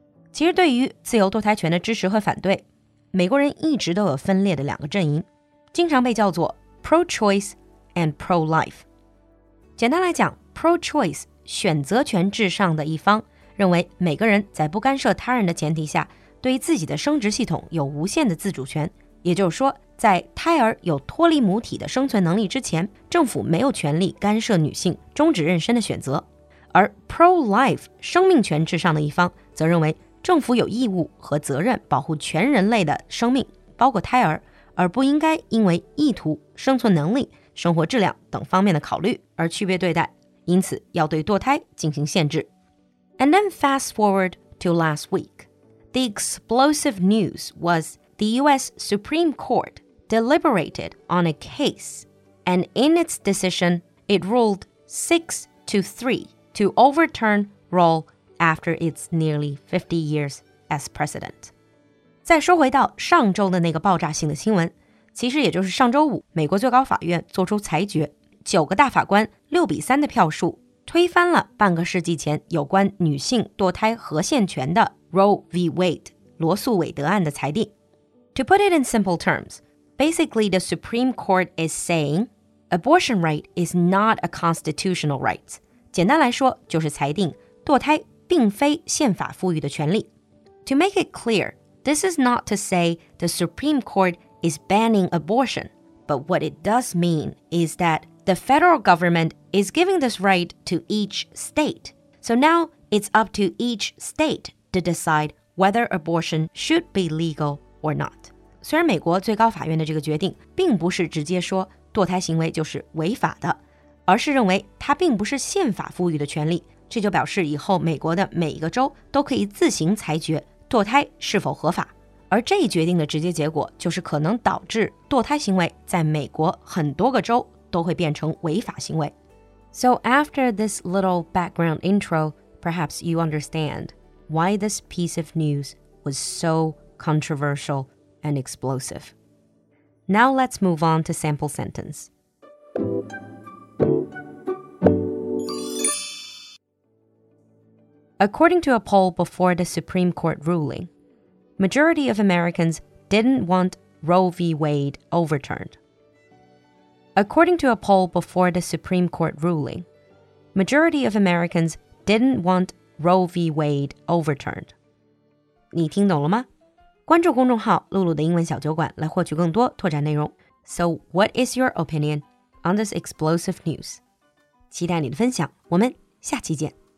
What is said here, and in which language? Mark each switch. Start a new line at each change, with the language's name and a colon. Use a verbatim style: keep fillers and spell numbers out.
Chinese: 其实对于自由堕胎权的支持和反对，美国人一直都有分裂的两个阵营，经常被叫做
English: pro-choice and pro-life。
Chinese: 简单来讲， pro-choice 选择权至上的一方认为每个人在不干涉他人的前提下，对于自己的生殖系统有无限的自主权，也就是说，在胎儿有脱离母体的生存能力之前，政府没有权利干涉女性终止妊娠的选择。而 pro-life 生命权至上的一方则认为政府有义务和责任保护全人类的生命，包括胎儿，而不应该因为意图、生存能力、生活质量等方面的考虑而区别对待，因此要对堕胎进行限制。
English: And then fast forward to last week. The explosive news was the U S Supreme Court deliberated on a case, and in its decision, it ruled six to three to overturn Roe after its nearly fifty years as precedent.
Chinese: 再说回到上周的那个爆炸性的新闻，其实也就是上周五，美国最高法院做出裁决，九个大法官六比三的票数推翻了半个世纪前有关女性堕胎和限权的 Roe v. Wade 罗素韦德案的裁定。
English: To put it in simple terms, basically the Supreme Court is saying abortion right is not a constitutional right.
Chinese: 简单来说，就是裁定堕胎并非宪法赋予的权利。
English: To make it clear, this is not to say the Supreme Court is banning abortion, but what it does mean is that the federal government is giving this right to each state. So now it's up to each state to decide whether abortion should be legal or not.
Chinese: 虽然美国最高法院的这个决定并不是直接说堕胎行为就是违法的，而是认为它并不是宪法赋予的权利，这就表示以后美国的每一个州都可以自行裁决堕胎是否合法。而这一决定的直接结果就是可能导致堕胎行为在美国很多个州都会变成违法行为。
English: So after this little background intro, perhaps you understand why this piece of news was so controversial and explosive. Now let's move on to sample sentence. According to a poll before the Supreme Court ruling, majority of Americans didn't want Roe v. Wade overturned. According to a poll before the Supreme Court ruling, majority of Americans didn't want Roe v. Wade overturned.
Chinese: 你听懂了吗？关注公众号“露露的英文小酒馆”来获取更多拓展内容。
English: So, what is your opinion on this explosive news?
Chinese: 期待你的分享，我们下期见。